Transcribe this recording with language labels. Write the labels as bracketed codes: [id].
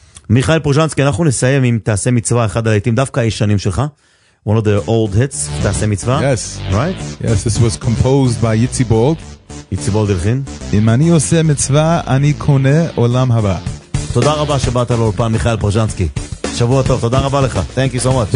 [he] מיכאל פרוז'נסקי, אנחנו נסיים עם תעשה מצווה, אחד הלהיטים, דווקא הישנים שלך. [en] One of the old hits, תעשה מצווה. Yes. Right? Yes, this was composed by Yitzi Bold. [he] יצי בולד הלחין. אם אני עושה מצווה, אני קונה עולם הבא. תודה רבה שבאת לאולפן, מיכאל פרוז'נסקי. שבוע טוב, תודה רבה לך. [en] Thank you so much.